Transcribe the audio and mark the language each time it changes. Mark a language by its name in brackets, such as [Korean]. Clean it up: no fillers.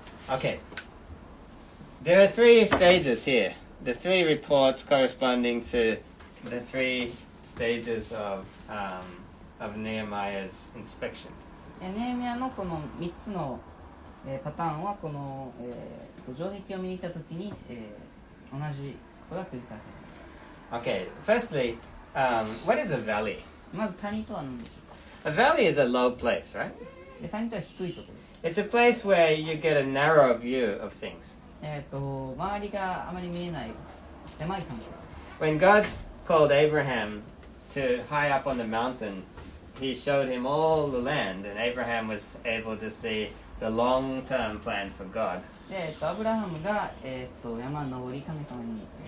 [English] Okay. There are three stages here. The three reports corresponding to the three stages of Nehemiah's inspection. [Japanese] Nehemiah のこの3つのパターンはこの城壁を見に行った時に同じことが繰り返されます。 [English] Okay, firstly, what is a valley? [Japanese] まず谷とは何でしょうか? [English] A valley is a low place, right? [Japanese] 谷とは低いところです。 [English] It's a place where you get a narrow view of things. [Japanese] 周りがあまり見えない狭い感じ。 [English] When God called Abraham to high up on the mountain,He showed him all the land, and Abraham was able to see the long-term plan for God. [Japanese] Abraham が山登り神様に。